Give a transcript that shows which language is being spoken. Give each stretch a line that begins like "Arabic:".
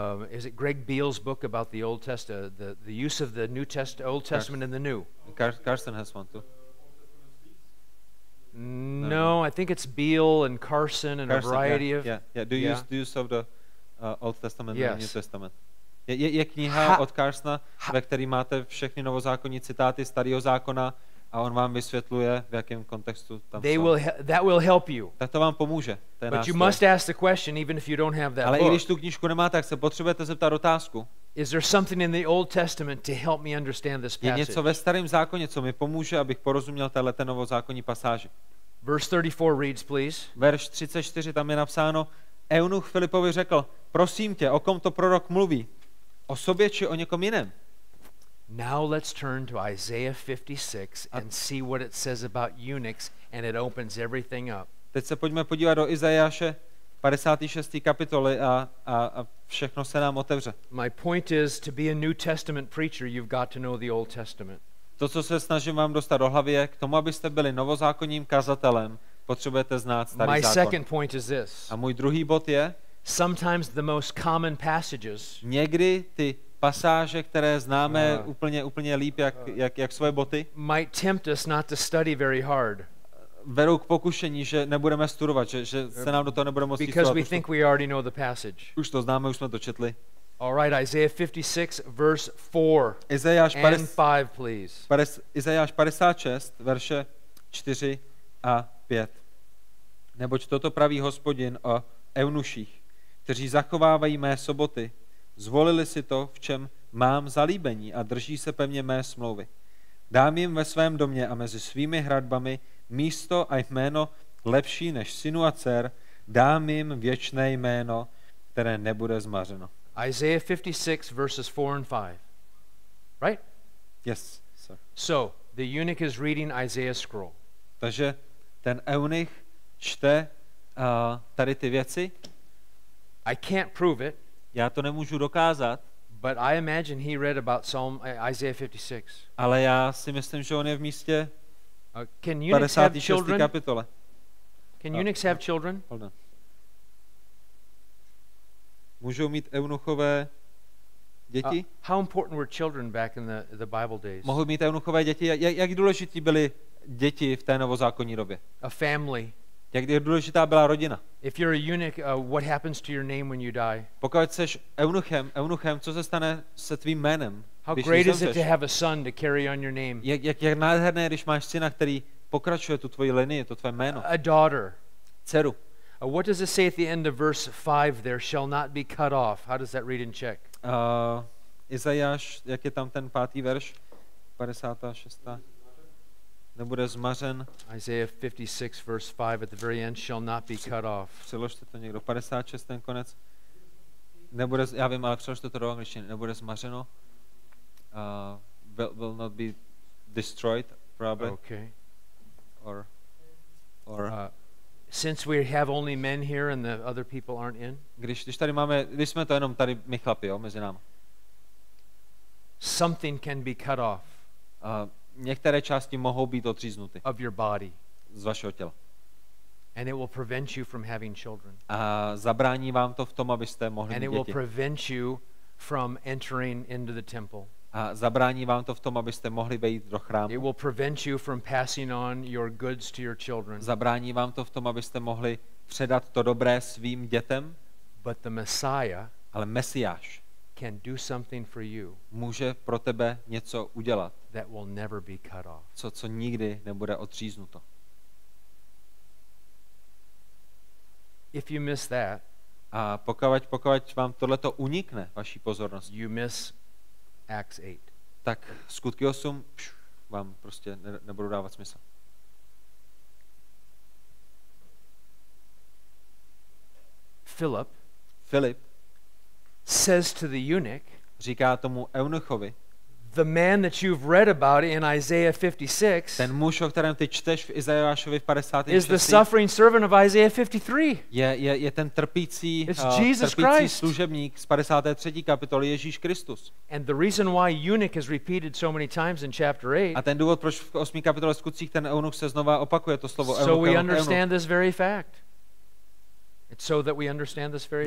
English: Is it Greg Beale's book about the Old Testament, the use of the New Testament, Old Testament and the New? Carson has one too. No, I think it's Beale and Carson and Carson, a variety yeah, of yeah, yeah. Do you yeah. use of the Old Testament yes. and the New Testament?
Czech: Je kniha od Carsona, ve které máte všechny novozákonní citáty starého zákona a on vám vysvětluje v jakém kontextu tam.
English: They will that will help you.
Czech: Tak to vám pomůže. To je
English: But you must ask the question even if you don't have that
Czech: Ale
English: book.
Czech: I když tu knížku nemáte, tak se potřebujete zeptat otázku.
English: Is there something in the Old Testament to help me understand this passage?
Czech: Je něco ve starém zákoně, co mi pomůže, abych porozuměl této novozákonní pasáži.
English: Verse 34 reads, please.
Czech: Verš 34, tam je napsáno, eunuch Filipovi řekl, prosím tě, o kom to prorok mluví? O sobě či o někom jiném?
English: Now let's turn to Isaiah 56 and see what it says about eunuchs and it opens everything up.
Czech: Teď se pojďme podívat do Izajáše 56. kapitoly a všechno se nám otevře.
English: My point is to be a New Testament preacher, you've got to know the Old Testament.
Czech: To, co se snažím vám dostat do hlavy, je k tomu, abyste byli novozákonním kazatelem, potřebujete znát starý
English: My
Czech: zákon.
English: Second point is this.
Czech: A můj druhý bod je
English: Sometimes the most common passages
Czech: Někdy ty pasáže, které známe úplně líp jak svoje boty,
English: might tempt us not to study very hard.
Czech: Vedou k pokušení, že nebudeme studovat, že se nám do toho nebude moc
English: Because we think we already know the passage.
Czech: Už to známe, už jsme to četli.
English: All right, Isaiah 56 verse 4.
Czech: Izajáš
English: 55, please.
Czech: Izajáš 56 verše 4 a 5. Neboť toto praví Hospodin o eunuších, kteří zachovávají mé soboty, zvolili si to, v čem mám zalíbení a drží se pevně mé smlouvy. Dám jim ve svém domě a mezi svými hradbami místo a jméno lepší než synu a dcer, dám jim věčné jméno, které nebude zmařeno.
English: Isaiah 56 verses 4 and 5. Right? Yes, sir. So, the eunuch is reading Isaiah's scroll.
Czech: Takže ten eunuch čte tady ty věci.
English: I can't prove it.
Czech: Já to nemůžu dokázat.
English: But I imagine he read about Psalm Isaiah 56.
Czech: Ale já si myslím, že on je v místě.
English: Can eunuchs have children?
Czech: Kapitole.
English: Can eunuchs have children? Hold on.
Czech: Můžou mít eunuchové děti?
English: How important were children back in the Bible days?
Czech: Mohou mít eunuchové děti? Jak důležitý byly děti v té novozákonní době?
English: A family.
Czech: Jak důležitá byla rodina?
English: If you're a eunuch, what happens to your name when you die?
Czech: Pokud jsi eunuchem, co se stane se tvým jménem?
English: How great is it to have a son to carry on your name?
Czech: Jak nádherné, když máš syna, který pokračuje tu tvoji linii, to tvé jméno.
English: A daughter.
Czech: Dceru.
English: What does it say at the end of verse 5 there shall not be cut off? How does that read in Czech?
Czech: Izajáš, jak je tam ten pátý verš? 56. Nebude zmařen.
English: Isaiah 56 verse 5 at the very end shall not be cut off.
Czech: Přeložte to někdo. 56 ten konec. Nebude, já vím, ale přeložte to do angličtiny. Nebude zmařeno.
English: Will not be destroyed probably. Okay. Or since we have only men here and the other people aren't in.
Czech: Když tady máme, když jsme to jenom tady my chlapi, jo, mezi námi.
English: Something can be cut off.
Czech: Některé části mohou být odříznuty.
English: Of your body.
Czech: Z vašeho těla.
English: And it will prevent you from having children.
Czech: A zabrání vám to v tom, abyste mohli mít děti.
English: And it will prevent you from entering into the temple.
Czech: A zabrání vám to v tom, abyste mohli vejít do chrámu.
English: It will prevent you from passing on your goods to your children.
Czech: Zabrání vám to v tom, abyste mohli předat to dobré svým dětem.
English: But the Messiah,
Czech: ale Mesiáš,
English: can do something for you.
Czech: Může pro tebe něco udělat.
English: That will never be cut off.
Czech: Co nikdy nebude odříznuto.
English: If you miss that,
Czech: a pokud vám tohleto unikne vaší pozornosti,
English: you miss Acts 8.
Czech: Tak Skutky 8 vám prostě nebudou dávat smysl.
English: Philip says to the eunuch,
Czech: říká tomu eunuchovi,
English: the man that you've read about in Isaiah 56,
Czech: ten muž, o kterém ty čteš v Izajášovi v 56,
English: is the suffering servant of Isaiah 53.
Czech: Je ten trpící, služebník z 53. kapitoly, Ježíš Kristus.
English: And the reason why eunuch is repeated so many times in chapter 8.
Czech: A ten důvod, proč v 8. kapitole Skutcích ten eunuch se znova opakuje to slovo eunuch.
English: So we understand this very fact. It's so that we understand this very